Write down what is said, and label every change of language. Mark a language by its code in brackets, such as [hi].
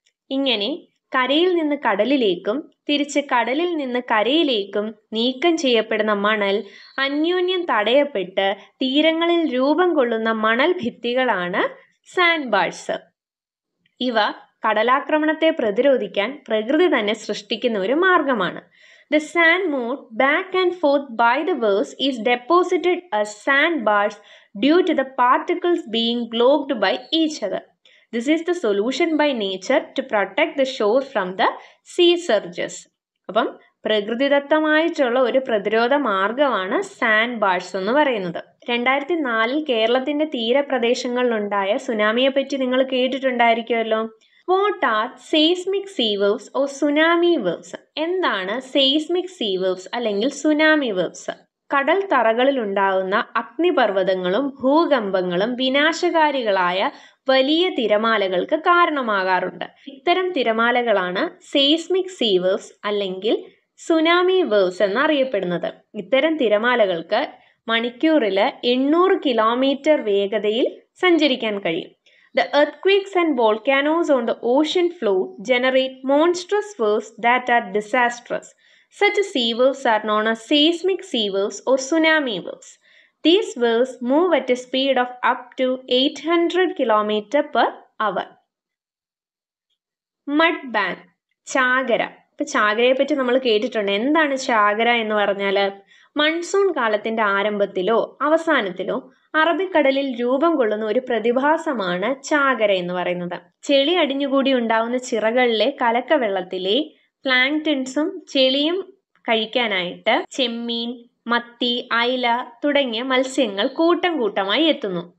[ml] ഇങ്ങനെ കരയിൽ നിന്ന് കടലിലേക്കും തിരിച്ച് കടലിൽ നിന്ന് കരയിലേക്കും നീക്കം ചെയ്യപ്പെടുന്ന മണൽ അന്യോന്യം തടയപ്പെട്ട് തീരങ്ങളിൽ രൂപം കൊള്ളുന്ന മണൽ ഭിത്തികളാണ് സാൻഡ് ബാഡ്സ്. ഇവ കടലാക്രമണത്തെ പ്രതിരോധിക്കാൻ പ്രകൃതി തന്നെ സൃഷ്ടിക്കുന്ന ഒരു മാർഗമാണ്. [en] The sand moved back and forth by the waves is deposited a sand beds due to the particles being blocked by each other. This is the solution by nature to protect the shore from the sea surges. [ml] അപ്പം പ്രകൃതിദത്തമായിട്ടുള്ള ഒരു പ്രതിരോധ മാർഗമാണ് sand ബാഡ്സ് എന്ന് പറയുന്നത്. 2004 കേരളത്തിന്റെ തീരപ്രദേശങ്ങളിലുണ്ടായ സുനാമിയെ പറ്റി നിങ്ങൾ കേട്ടിട്ടുണ്ടായിരിക്കുമല്ലോ. [en] What are seismic sea waves or tsunami waves? [ml] എന്താണ് സെയ്സ്മിക് സീ വേവ്സ് അല്ലെങ്കിൽ സുനാമി വേവ്സ്? കടൽ തറകളിൽ ഉണ്ടാകുന്ന അഗ്നിപർവ്വതങ്ങളും ഭൂകമ്പങ്ങളും വിനാശകാരികളായ വലിയ തിരമാലകൾക്ക് കാരണമാകാറുണ്ട്. ഇത്തരം തിരമാലകളാണ് സെയ്സ്മിക് സീ വേവ്സ് അല്ലെങ്കിൽ സുനാമി വേവ്സ് എന്നറിയപ്പെടുന്നത്. ഇത്തരം തിരമാലകൾക്ക് മണിക്കൂറിൽ 800 കിലോമീറ്റർ വേഗതയിൽ സഞ്ചരിക്കാൻ കഴിയും. [en] The earthquakes and volcanoes on the ocean floor generate monstrous waves that are disastrous. Such sea waves are known as seismic sea waves or tsunami waves. These waves move at a speed of up to 800 km per hour. Mud bank, ചാകര. [ml] ഇപ്പൊ ചാകരയെ പറ്റി നമ്മൾ കേട്ടിട്ടുണ്ട്. എന്താണ് ചാകര എന്ന് പറഞ്ഞാല്, monsoon കാലത്തിന്റെ ആരംഭത്തിലോ അവസാനത്തിലോ അറബിക്കടലിൽ രൂപം കൊള്ളുന്ന ഒരു പ്രതിഭാസമാണ് ചാകര എന്ന് പറയുന്നത്. ചെളി അടിഞ്ഞുകൂടി ഉണ്ടാവുന്ന ചിറകളിലെ കലക്ക വെള്ളത്തിലെ പ്ലാങ്ടൺസും ചെളിയും കഴിക്കാനായിട്ട് ചെമ്മീൻ, മത്തി, അയല തുടങ്ങിയ മത്സ്യങ്ങൾ കൂട്ടം കൂട്ടമായി എത്തുന്നു.